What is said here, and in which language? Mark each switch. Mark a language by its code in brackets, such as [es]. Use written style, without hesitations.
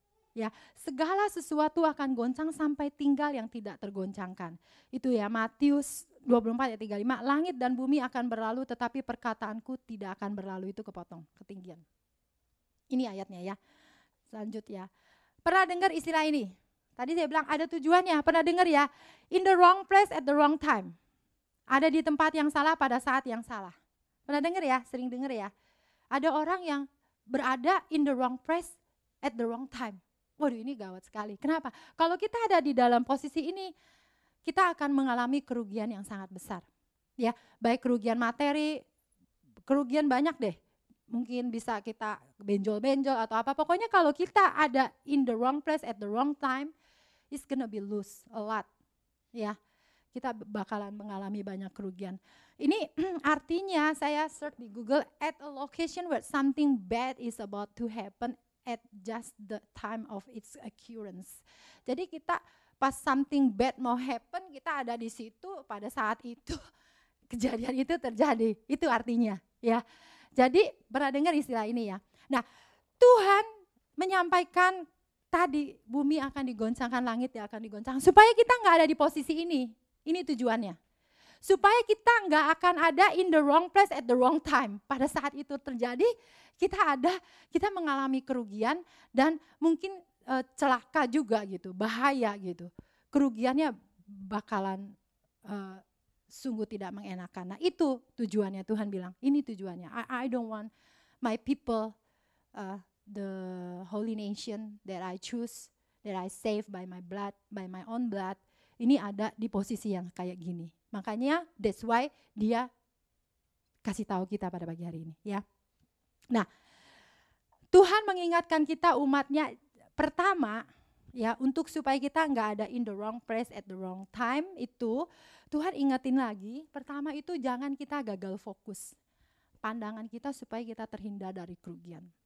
[id] Ya, segala sesuatu akan goncang sampai tinggal yang tidak tergoncangkan. Itu ya Matius 24:35, langit dan bumi akan berlalu tetapi perkataanku tidak akan berlalu, itu kepotong ketinggian. Ini ayatnya ya. Lanjut ya. Pernah dengar istilah ini? Tadi saya bilang ada tujuannya, pernah dengar ya? [en] In the wrong place at the wrong time. [id] Ada di tempat yang salah pada saat yang salah. Pernah dengar ya? Sering dengar ya? Ada orang yang berada [en] in the wrong place at the wrong time. [id] Waduh ini gawat sekali. Kenapa? Kalau kita ada di dalam posisi ini, kita akan mengalami kerugian yang sangat besar. Ya, baik kerugian materi, kerugian banyak deh. Mungkin bisa kita benjol-benjol atau apa. Pokoknya kalau kita ada [en] in the wrong place at the wrong time, it's gonna be lose a lot. [id] Ya, kita bakalan mengalami banyak kerugian. Ini artinya saya search di Google, [en] at a location where something bad is about to happen, at just the time of its occurrence. [id] Jadi kita pas [en] something bad [id] mau happen, kita ada di situ pada saat itu, kejadian itu terjadi. Itu artinya, ya. Jadi pernah dengar istilah ini ya. Nah, Tuhan menyampaikan tadi bumi akan digoncangkan, langit ya akan digoncang supaya kita enggak ada di posisi ini. Ini tujuannya. Supaya kita enggak akan ada [en] in the wrong place at the wrong time. [id] Pada saat itu terjadi, kita mengalami kerugian dan mungkin celaka juga gitu, bahaya gitu. Kerugiannya bakalan sungguh tidak mengenakan. Nah itu tujuannya, Tuhan bilang, ini tujuannya. [en] I don't want my people, the holy nation that I choose, that I save by my blood, by my own blood, [id] ini ada di posisi yang kayak gini. Makanya [en] that's why [id] dia kasih tahu kita pada pagi hari ini ya. Nah, Tuhan mengingatkan kita umatnya pertama ya, untuk supaya kita enggak ada [en] in the wrong place at the wrong time, [id] itu Tuhan ingetin lagi, pertama itu jangan kita gagal fokus pandangan kita supaya kita terhindar dari kerugian.